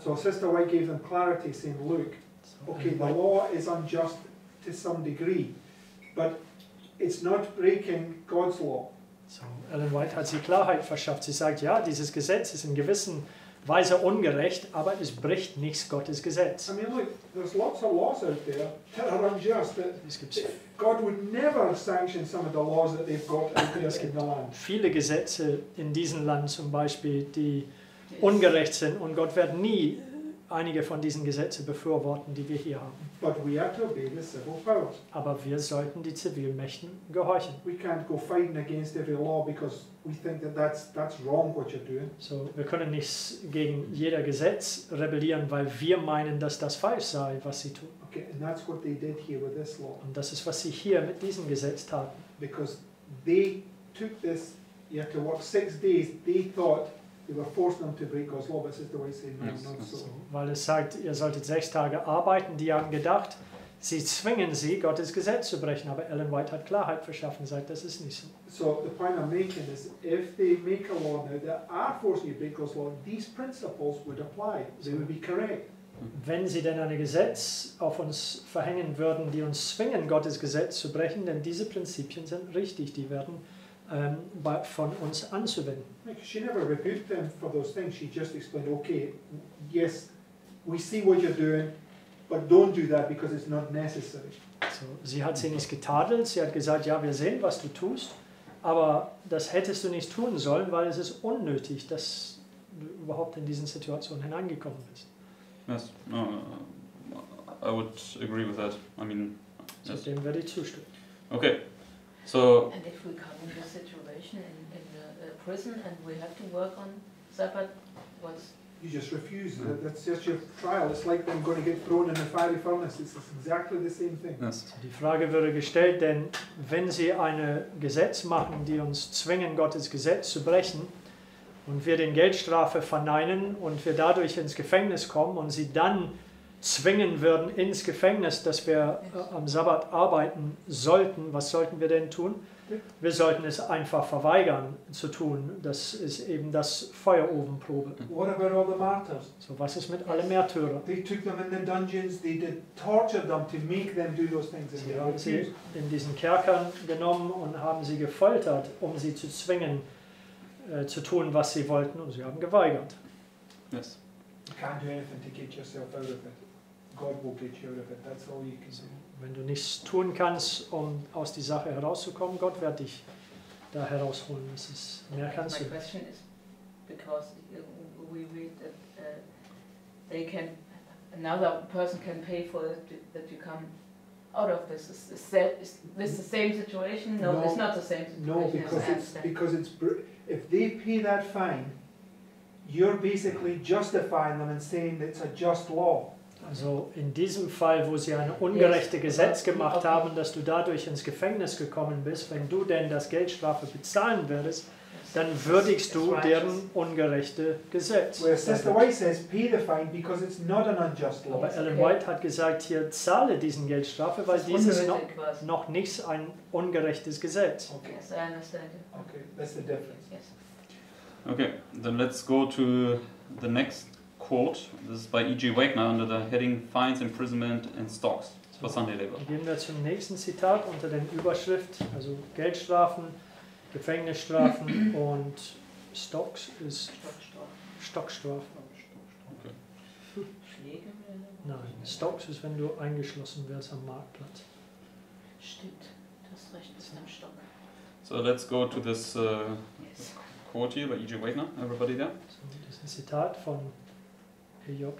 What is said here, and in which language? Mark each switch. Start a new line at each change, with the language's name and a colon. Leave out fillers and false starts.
English: So Sister White gave them clarity, saying, look, okay, the law is unjust to some degree, but it's not breaking God's law.
German: So Ellen White hat sie Klarheit verschafft. Sie sagt, ja, dieses Gesetz ist in gewissen Weise ungerecht, aber es bricht nicht Gottes Gesetz.
English: I mean, look, there's lots of laws out there that are unjust. God would never sanction some of the laws that they've got out there in the land.
German: Viele Gesetze in diesem Land zum Beispiel, die ungerecht sind und Gott wird nie einige von diesen Gesetzen befürworten, die wir hier haben.
English: But we are to obey the civil powers.
German: Aber wir sollten die Zivilmächten gehorchen.
English: We can't go fighting against every law because we think that that's wrong what you're doing.
German: So wir können nicht gegen jeder Gesetz rebellieren, weil wir meinen, dass das falsch sei, was sie tun.
English: Okay, and that's what they did here with this law.
German: Und das ist, was sie hier mit diesem Gesetz taten.
English: Because they took this, you have to work 6 days, they thought they were forced them to break God's law, but this is the way it's saying, no, not so.
German: Weil es sagt, ihr solltet 6 Tage arbeiten, die haben gedacht, sie zwingen sie, Gottes Gesetz zu brechen, aber Ellen White hat Klarheit verschaffen, sagt, das ist nicht so.
English: So, the point I'm making is, if they make a law now that are forcing you to break God's law, these principles would apply, they would be correct.
German: Wenn sie denn ein Gesetz auf uns verhängen würden, die uns zwingen, Gottes Gesetz zu brechen, denn diese Prinzipien sind richtig, die werden von uns anzuwenden.
English: She never rebuked them for those things. She just explained, okay, yes, we see what you're doing, but don't do that because it's not necessary.
German: So, sie hat sie nicht getadelt. Sie hat gesagt, ja, wir sehen, was du tust, aber das hättest du nicht tun sollen, weil es ist unnötig, dass du überhaupt in diesen Situationen hineingekommen bist.
English: Yes, no, I would agree with that. I mean, yes.
German: So, dem werde ich zustimmen.
English: Okay, so. And if we come in this situation in a prison and we have to work on Sabbath, what's. You just refuse. Mm. That's just your trial. It's like I'm going to get thrown in a fiery furnace. It's exactly the same thing. Yes.
German: So die Frage würde gestellt, denn wenn Sie ein Gesetz machen, die uns zwingen, Gottes Gesetz zu brechen, und wir den Geldstrafe verneinen und wir dadurch ins Gefängnis kommen und sie dann zwingen würden ins Gefängnis, dass wir am Sabbat arbeiten sollten, was sollten wir denn tun? Wir sollten es einfach verweigern zu tun. Das ist eben das Feuerofenprobe.
English: What about all the martyrs?
German: So, was ist mit allen Märtyrern?
English: They took them in the dungeons, they did torture them to make them do those things.
German: Sie haben sie in diesen Kerkern genommen und haben sie gefoltert, um sie zu zwingen, zu tun, was sie wollten, und sie haben geweigert.
English: Yes. You can't do anything to get yourself out of it. God will get you out of it. That's all you can do.
German: Wenn du nichts tun kannst, um aus die Sache herauszukommen, Gott wird dich da herausholen. Das ist mehr kannst du.
English: My question is, because we read that they can, another person can pay for it, that you come out of this. Is this the same situation? No, no, it's not the same situation. No, because it's. If they pay that fine, you're basically justifying them and saying it's a just law.
German: Also in diesem Fall, wo sie ein ungerechtes Gesetz gemacht haben, dass du dadurch ins Gefängnis gekommen bist, wenn du denn das Geldstrafe bezahlen würdest, dann würdigst du deren ungerechte Gesetz.
English: Well, Sister White says, pay the fine because it's not an unjust law.
German: Aber Ellen White hat gesagt, hier zahle diesen Geldstrafe, weil dies ist noch nicht ein ungerechtes Gesetz.
English: Okay. Yes, I understand. Okay, that's the difference. Yes. Okay, then let's go to the next quote. This is by E.G. Wagner under the heading Fines, Imprisonment and Stocks for Sunday Labor.
German: Gehen wir zum nächsten Zitat unter der Überschrift, also Geldstrafen, Gefängnisstrafen und Stocks ist Stockstrafe.
English: Okay.
German: Nein, Stocks ist, wenn du eingeschlossen wirst am Marktplatz. Stimmt, das Recht ist am Stock.
English: So, let's go to this quote here by E.G. Wagner. Everybody there?
German: So, das ist ein Zitat von E.J.